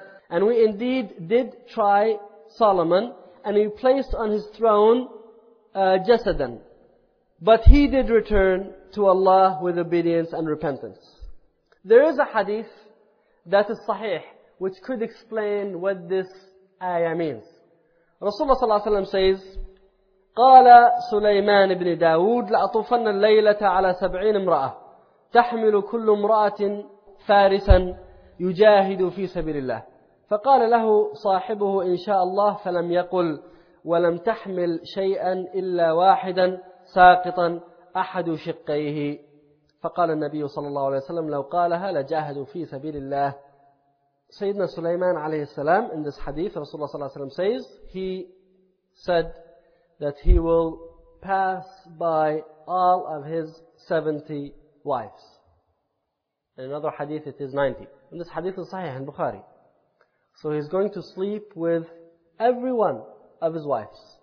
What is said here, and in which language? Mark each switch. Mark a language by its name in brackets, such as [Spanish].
[English] And we indeed did try Solomon, and he placed on his throne jasadan. But he did return to Allah with obedience and repentance. There is a hadith that is sahih, which could explain what this ayah means. [Arabic] Rasulullah sallallahu alayhi wa sallam says, قَالَ سُلَيْمَانِ بْنِ دَاوُودِ لَأَطُوفَنَّ اللَّيْلَةَ عَلَىٰ سَبْعِينَ امْرَأَةٍ تَحْمِلُ كُلُّ امْرَأَةٍ فَارِسًا يُجَاهِدُ فِي سَبِيلِ اللَّهِ فَقَالَ لَهُ صَاحِبُهُ إِنْ شَاءَ اللَّهُ فَلَمْ يَقُلْ وَلَمْ تَحْمِلْ شَيْئًا إِلَّا وَاحِدًا سَاقِطًا أَحَدُ شِقَّيْهِ فَقَالَ النَّبِيُّ صَلَّى اللَّهُ عَلَيْهِ وَسَلَّمَ لَوْ قَالَهَا لَجَاهَدُوا فِي سَبِيلِ اللَّهِ. [English] Sayyidina Sulaiman alayhi salam, in this hadith, Rasulullah sallallahu alayhi wa sallam says, he said that he will pass by all of his 70 wives. In another hadith, it is 90. And this hadith is sahih in Bukhari. So he's going to sleep with every one of his wives.